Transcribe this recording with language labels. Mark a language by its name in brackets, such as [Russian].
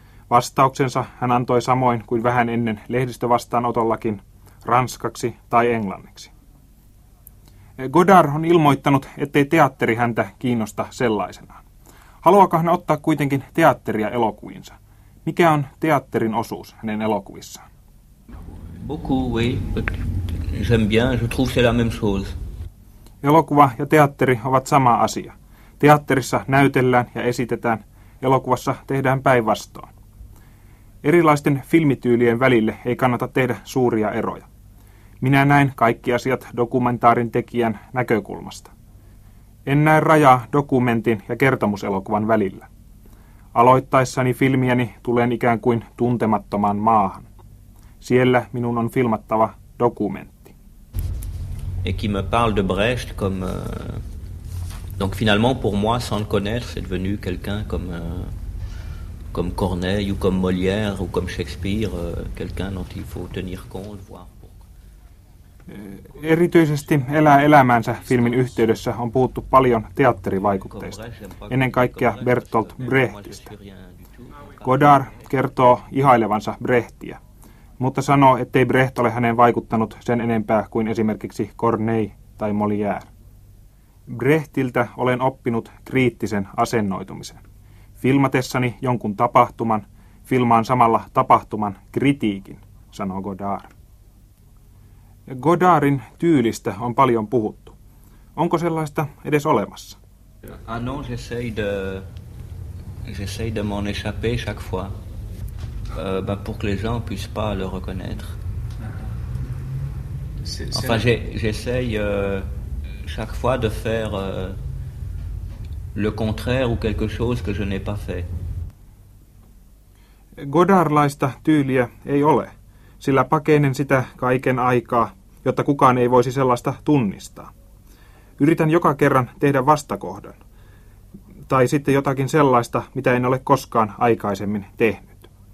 [Finnish] Vastauksensa hän antoi samoin kuin vähän ennen lehdistövastaanotollakin, ranskaksi tai englanniksi. Godard on ilmoittanut, ettei teatteri häntä kiinnosta sellaisenaan. Haluaako hän ottaa kuitenkin teatteria elokuviinsa? Mikä on teatterin osuus hänen elokuvissaan? [French] Beaucoup, oui, j'aime bien, je trouve c'est la même chose. [Finnish] Elokuva ja teatteri ovat sama asia. Teatterissa näytellään ja esitetään, elokuvassa tehdään päinvastoin. Erilaisten filmityylien välille ei kannata tehdä suuria eroja. Minä näen kaikki asiat dokumentaarin tekijän näkökulmasta. En näe rajaa dokumentin ja kertomuselokuvan välillä. Aloittaessani filmiäni tulen ikään kuin tuntemattomaan maahan. Siellä minun on filmattava dokumentti. [French] Et qui me parle de Brecht comme donc finalement pour moi sans le connaître c'est devenu quelqu'un comme comme Corneille ou comme Molière ou comme Shakespeare quelqu'un dont il faut tenir compte voir pour [Finnish] erityisesti elää elämänsä filmin yhteydessä on puhuttu paljon teatterivaikutteista ennen kaikkea Bertolt Brechtistä. Godard kertoo ihailevansa Brechtiä, mutta sanoo, ettei Brecht ole hänen vaikuttanut sen enempää kuin esimerkiksi Corneille tai Molière. Brechtiltä olen oppinut kriittisen asennoitumisen. Filmatessani jonkun tapahtuman, filmaan samalla tapahtuman kritiikin, sanoo Godard. Godardin tyylistä on paljon puhuttu. Onko sellaista edes olemassa? [French] Ah non, j'essaie de m'en échapper chaque fois. Pour que les gens puissent pas le reconnaître. Enfin, j'essaye chaque fois de faire le contraire ou quelque chose que je n'ai pas fait. [Finnish] Godardlaista tyyliä ei ole, sillä pakenen sitä kaiken aikaa, jotta kukaan ei voisi sellaista tunnistaa. Yritän joka kerran tehdä vastakohdan, tai sitten jotakin sellaista, mitä en ole koskaan aikaisemmin tehnyt.